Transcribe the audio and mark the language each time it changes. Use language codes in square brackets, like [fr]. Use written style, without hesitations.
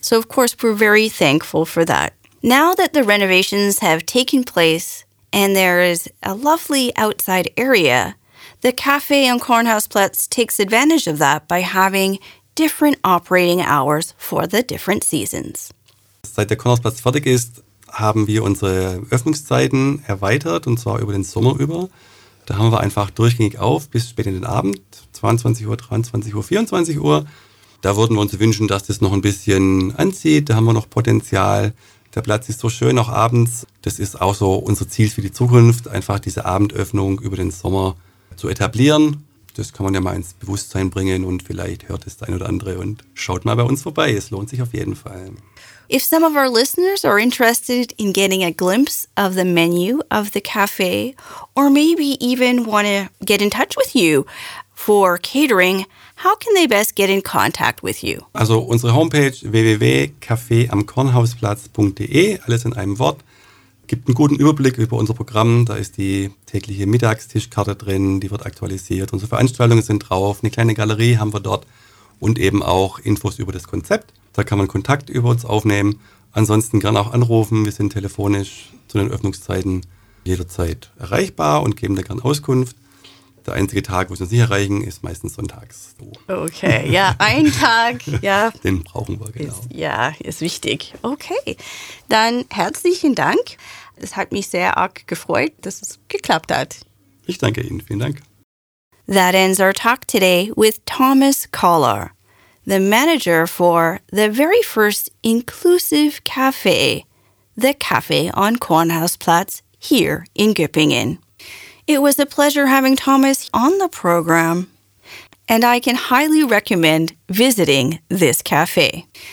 [en] So, of course, we're very thankful for that. Now that the renovations have taken place and there is a lovely outside area, the Café on Kornhausplatz takes advantage of that by having different operating hours for the different seasons. [de] Seit der Kornhausplatz fertig ist, haben wir unsere Öffnungszeiten erweitert, und zwar über den Sommer über. Da haben wir einfach durchgängig auf bis spät in den Abend, 22 Uhr, 23 Uhr, 24 Uhr. Da würden wir uns wünschen, dass das noch ein bisschen anzieht. Da haben wir noch Potenzial. Der Platz ist so schön, auch abends. Das ist auch so unser Ziel für die Zukunft, einfach diese Abendöffnung über den Sommer zu etablieren. das kann man ja mal ins Bewusstsein bringen und vielleicht hört es der ein oder andere und schaut mal bei uns vorbei. Es lohnt sich auf jeden Fall. [en] If some of our listeners are interested in getting a glimpse of the menu of the cafe or maybe even want to get in touch with you for catering, how can they best get in contact with you? [de] Also unsere Homepage www.cafeamkornhausplatz.de, alles in einem Wort, gibt einen guten Überblick über unser Programm. Da ist die tägliche Mittagstischkarte drin, die wird aktualisiert. Unsere Veranstaltungen sind drauf, eine kleine Galerie haben wir dort und eben auch Infos über das Konzept. Da kann man Kontakt über uns aufnehmen. Ansonsten gerne auch anrufen. Wir sind telefonisch zu den Öffnungszeiten jederzeit erreichbar und geben da gerne Auskunft. Der einzige Tag, wo wir uns nicht erreichen, ist meistens sonntags. So. Okay, ja, ein Tag, ja. Den brauchen wir, genau. Ist wichtig. Okay, dann herzlichen Dank. Es hat mich sehr arg gefreut, dass es geklappt hat. Ich danke Ihnen, vielen Dank. [en] That ends our talk today with Thomas Koller, the manager for the very first inclusive cafe, the Cafe on Kornhausplatz, here in Göppingen. It was a pleasure having Thomas on the program, and I can highly recommend visiting this cafe.